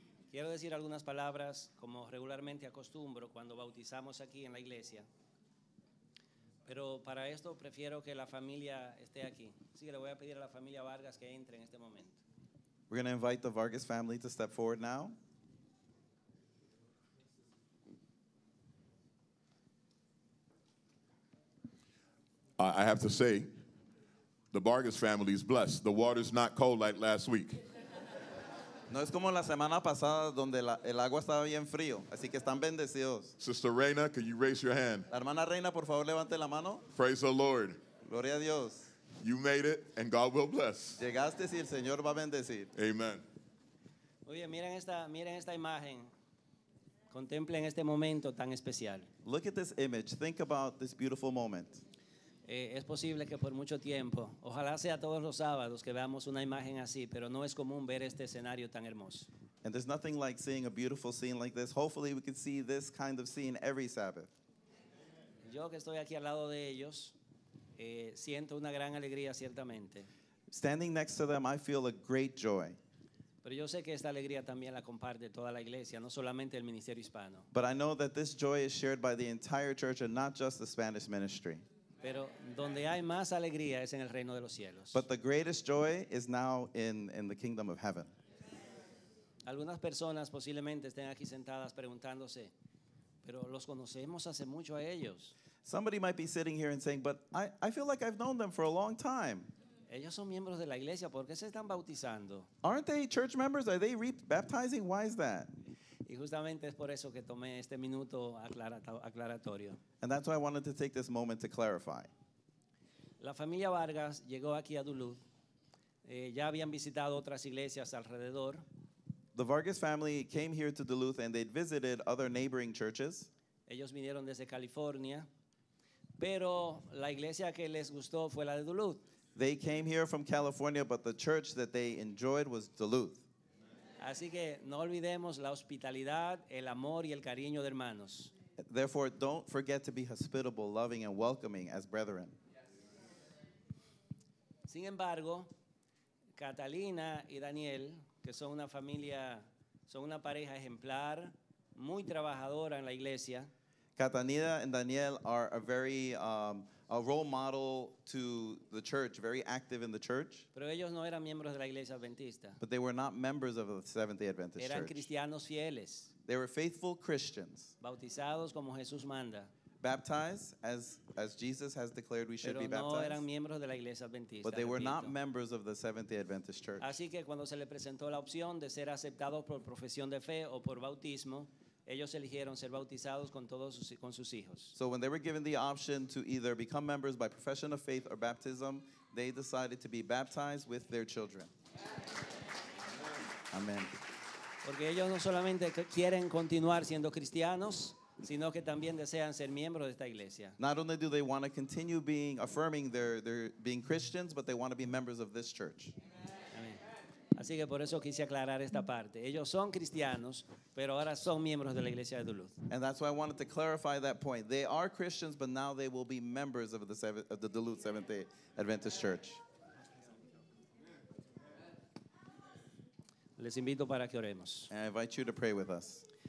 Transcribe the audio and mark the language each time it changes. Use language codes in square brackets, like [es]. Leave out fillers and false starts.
[es] Quiero decir algunas palabras, como regularmente acostumbro cuando bautizamos aquí en la iglesia. Pero para esto prefiero que la familia esté aquí. Así que le voy a pedir a la familia Vargas que entre en este momento. [en] We're going to invite the Vargas family to step forward now. I have to say, the Vargas family is blessed. The water's not cold like last week. [es] No es como la semana pasada donde el agua estaba bien frío, así que están bendecidos. [en] Sister Reina, can you raise your hand? [es] La hermana Reina, por favor, levante la mano. [en] Praise the Lord. [es] Gloria a Dios. [en] You made it, and God will bless. [es] Llegaste y el Señor va a bendecir. [en] Amen. [es] Muy bien, miren esta imagen. Contemplen este momento tan especial. [en] Look at this image. Think about this beautiful moment. [es] Es posible que por mucho tiempo, ojalá sea todos los sábados que veamos una imagen así, pero no es común ver este escenario tan hermoso. [en] And there's nothing like seeing a beautiful scene like this. Hopefully we can see this kind of scene every Sabbath. [es] Yo que estoy aquí al lado de ellos, siento una gran alegría ciertamente. [en] Standing next to them, I feel a great joy. [es] Pero yo sé que esta alegría también la comparte toda la iglesia, no solamente el ministerio hispano. [en] But I know that this joy is shared by the entire church and not just the Spanish ministry. [es] Pero donde hay más alegría es en el reino de los cielos. [en] But the greatest joy is now in the kingdom of heaven. [es] Algunas personas posiblemente estén aquí sentadas preguntándose, pero los conocemos hace mucho a ellos. [en] Somebody might be sitting here and saying, but I feel like I've known them for a long time. [es] Ellos son miembros de la iglesia, ¿por qué se están bautizando? [en] Aren't they church members? Are they re-baptizing? Why is that? [es] Y justamente es por eso que tomé este minuto aclaratorio. [en] And that's why I wanted to take this moment to clarify. [es] La familia Vargas llegó aquí a Duluth. Ya habían visitado otras iglesias alrededor. [en] The Vargas family came here to Duluth and they'd visited other neighboring churches. [es] Ellos vinieron desde California, pero la iglesia que les gustó fue la de Duluth. [en] They came here from California, but the church that they enjoyed was Duluth. [es] Así que no olvidemos la hospitalidad, el amor y el cariño de hermanos. [en] Therefore, don't forget to be hospitable, loving, and welcoming as brethren. [es] Sin embargo, Catalina y Daniel, que son una familia, son una pareja ejemplar, muy trabajadora en la iglesia. [en] Catalina and Daniel are a very a role model to the church, very active in the church. [es] Pero ellos no eran miembros de la iglesia adventista. [en] But they were not members of the Seventh-day Adventist [es] eran [en] church. [es] Eran cristianos fieles. [en] They were faithful Christians. [es] Bautizados como Jesús manda. [en] Baptized as Jesus has declared we should [es] Pero [en] be baptized. [es] No eran miembros de la iglesia adventista. [en] But they [es] repito. [en] Were not members of the Seventh-day Adventist church. [es] Así que cuando se le presentó la opción de ser aceptado por profesión de fe o por bautismo, ellos eligieron ser bautizados con todos sus, con sus hijos. [en] So when they were given the option to either become members by profession of faith or baptism, they decided to be baptized with their children. Amen. [es] Porque ellos no solamente quieren continuar siendo cristianos, sino que también desean ser miembros de esta iglesia. [en] Not only do they want to continue being affirming their being Christians, but they want to be members of this church. [es] Así que por eso quise aclarar esta parte. Ellos son cristianos, pero ahora son miembros de la iglesia de Duluth. [en] And that's why I wanted to clarify that point. They are Christians, but now they will be members of the Duluth Seventh-day Adventist Church. [es] Les invito para que oremos. [en] And I invite you to pray with us.